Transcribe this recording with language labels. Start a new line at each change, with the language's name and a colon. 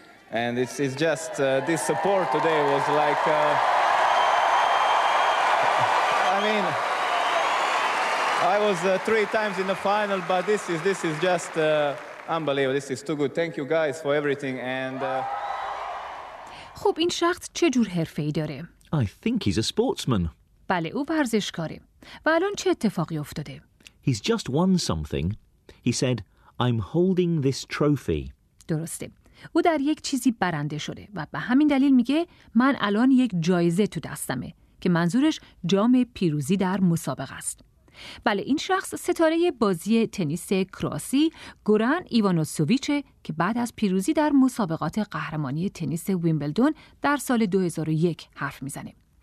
English: And it's just this support today was like, I mean, I was three times in the final, but this is just unbelievable. This is too good. Thank you guys for everything. And
Persian: خب این شخص چه جور حرفه‌ای داره؟
English: I think he's a sportsman.
Persian: بله، او ورزشکاره. و الان چه اتفاقی افتاده؟
English: He's just won something. He said, I'm holding this trophy.
Persian: درسته. او در یک چیزی برنده شده و به همین دلیل میگه من الان یک جایزه تو دستمه. که منظورش جام پیروزی در مسابقه است. بله، این شخص ستاره بازی تنیس کرواسی گوران ایوانوسوویچه که بعد از پیروزی در مسابقات قهرمانی تنیس ویمبلدون در سال 2001 حرف میزنه.